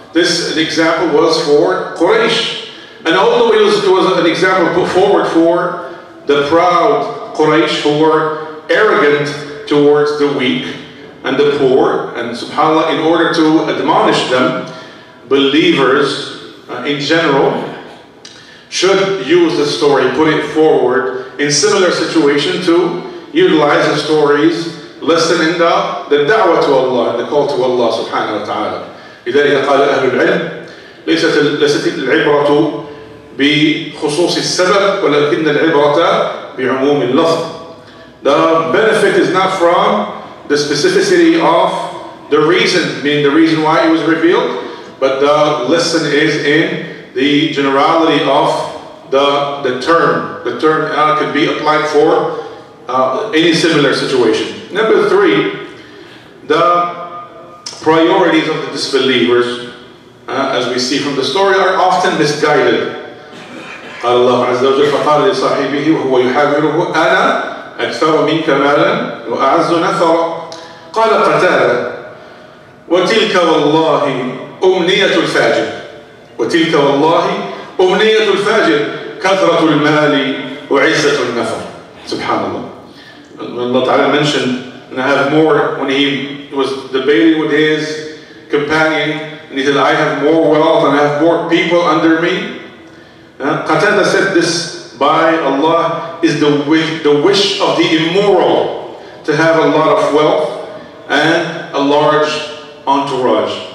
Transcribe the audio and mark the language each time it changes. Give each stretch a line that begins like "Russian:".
English: This example was for Quraysh. And although it was an example put forward for the proud Quraysh who were arrogant towards the weak and the poor, and subhanAllah, in order to admonish them, believers in general should use the story, put it forward in similar situation to utilize the stories, lesson in the da'wah to Allah, the call to Allah subhanahu wa ta'ala.
Arabic: لذلك قال أهل العلم ليست العبرة بخصوص السبب ولكن العبرة بعموم اللفظ.
English: The benefit is not from the specificity of the reason, meaning the reason why it was revealed, but the lesson is in the generality of the term. The term could be applied for any similar situation. Number three, the priorities of the disbelievers, as we see from the story, are often misguided.
Arabic: Allah Azza wa Jalla فقال لصاحبه وهو يحاوره أنا أكثر منك مالا وأعز نفرا قال قتادة وتلك والله أمنية الفاجر وتلك والله أمنية الفاجر كثرة المال وعزة النفر. سبحان الله.
English: When Allah Ta'ala mentioned, and I have more, when he was debating with his companion, and he said, I have more wealth and I have more people under me. Qatada said this by Allah is the wish of the immoral to have a lot of wealth and a large entourage.